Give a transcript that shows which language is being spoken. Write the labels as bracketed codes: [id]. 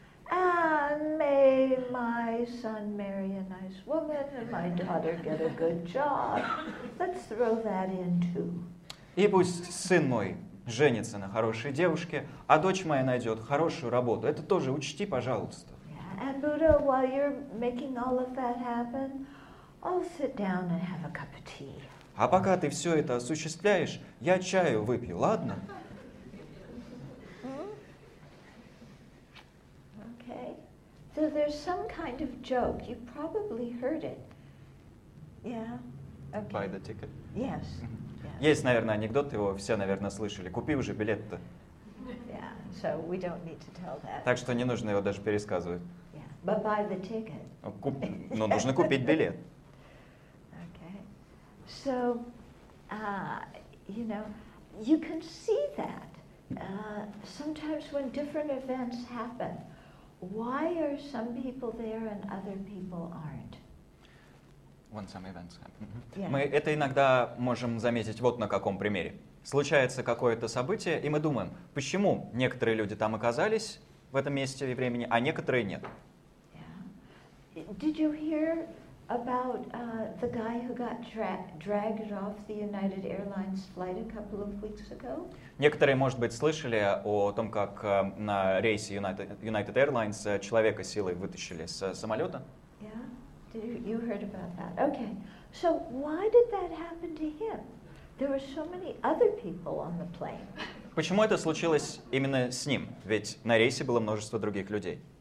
[en] And may my son marry a nice woman and my daughter get a good job. Let's throw that in too. [ru] И пусть сын мой женится на хорошей девушке, а дочь моя найдет хорошую работу. Это тоже учти, пожалуйста. [en] And Buddha, while you're making all of that happen, I'll sit down and have a cup of tea. [ru] А пока ты все это осуществляешь, я чаю выпью, ладно? [en] Okay. So there's some kind of joke. You probably heard it. Yeah. Okay. Buy the ticket. Yes. Yeah. [ru] Есть, наверное, анекдот, его все, наверное, слышали. Купи уже билет-то. [en] Yeah. So we don't need to tell that. [ru] Так что не нужно его даже пересказывать. [en] Yeah. But buy the ticket. [ru] Но нужно купить билет. [en] So, you know, you can see that sometimes when different events happen, why are some people there and other people aren't? When some events happen. Yeah. [ru] Мы это иногда можем заметить вот на каком примере. Случается какое-то событие, и мы думаем, почему некоторые люди там оказались в этом месте и времени, а некоторые нет. [en] Yeah. Did you hear about the guy who got dragged off the United Airlines flight a couple of weeks ago? [ru] Некоторые, может быть, слышали о том, как на рейсе United Airlines человека силой вытащили с самолета? [en] Yeah, you heard about that. Okay. So why did that happen to him? There were so many other people on the plane. [ru] Почему это случилось именно с ним? Ведь на рейсе было множество других людей.